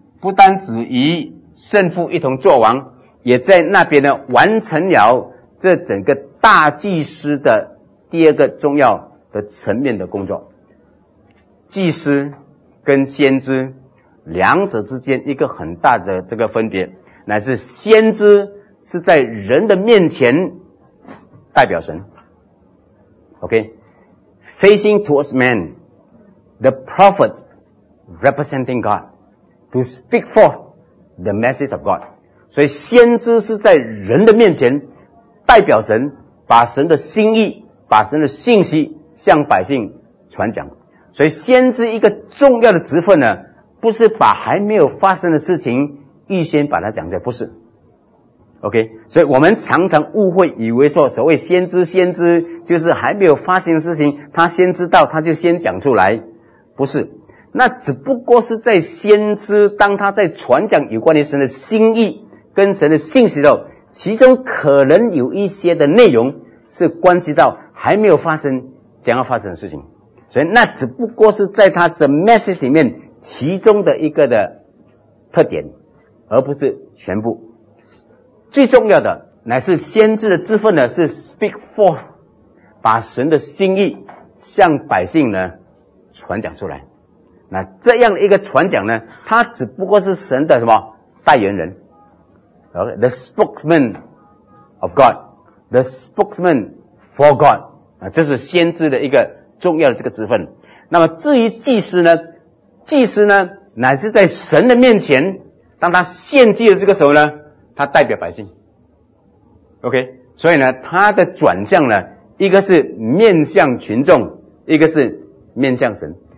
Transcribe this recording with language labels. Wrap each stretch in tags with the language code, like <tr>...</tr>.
<zh>不单只与圣父一同作王，也在那边呢完成了这整个大祭司的第二个重要的层面的工作。祭司跟先知两者之间一个很大的这个分别，乃是先知是在人的面前代表神。</zh> <en>OK, facing towards man, the prophet representing God to speak forth the message of God.</en> <zh>所以先知是在人的面前代表神，把神的心意，把神的信息向百姓传讲。所以先知一个重要的职分呢，不是把还没有发生的事情预先把它讲出来，不是。 OK, 所以我们常常误会，以为说所谓先知，先知就是还没有发生的事情他先知道他就先讲出来，不是。那只不过是在先知当他在传讲有关于神的心意跟神的信息的时候，其中可能有一些的内容是关系到还没有发生将要发生的事情，所以那只不过是在他的 message 里面其中的一个的特点，而不是全部。最重要的乃是先知的职分呢，是</zh> <en>speak forth,</en> <zh>把神的心意向百姓呢传讲出来。那这样的一个传讲呢，他只不过是神的什么代言人。</zh> <en>Okay, the spokesman of God, the spokesman for God,</en> <zh>这是先知的一个重要的这个职分。那么至于祭司呢，祭司呢乃是在神的面前当他献祭的这个时候呢，他代表百姓。 OK, 所以呢他的转向呢，一个是面向群众，一个是面向神。</zh>